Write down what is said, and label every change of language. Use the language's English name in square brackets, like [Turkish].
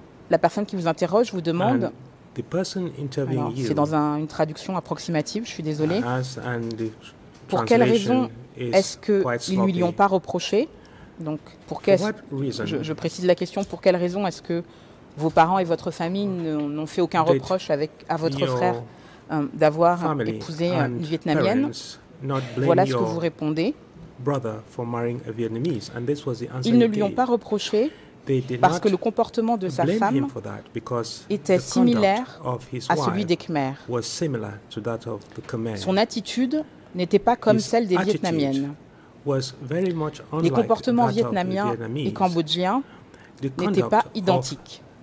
[French] la personne qui vous interroge vous demande, c'est dans une traduction approximative, je suis désolé, pour quelle raison est-ce qu'ils ne lui ont pas reproché? Donc, je précise la question, pour quelle raison est-ce que vos parents et votre famille n'ont fait aucun reproche à votre frère d'avoir épousé une Vietnamienne? Voilà ce que vous répondez. [English] brother for marrying a Vietnamese, and this was the answer. [French] Ils ne lui ont pas reproché parce que le comportement de sa femme était similaire à celui des Khmers. [English] Was similar to that of the Khmer. [French] Son attitude n'était pas comme [English] his [French] celle des Vietnamiennes. [English] Was very much unlike [French] les comportements vietnamiens et cambodgiens n'étaient pas identiques.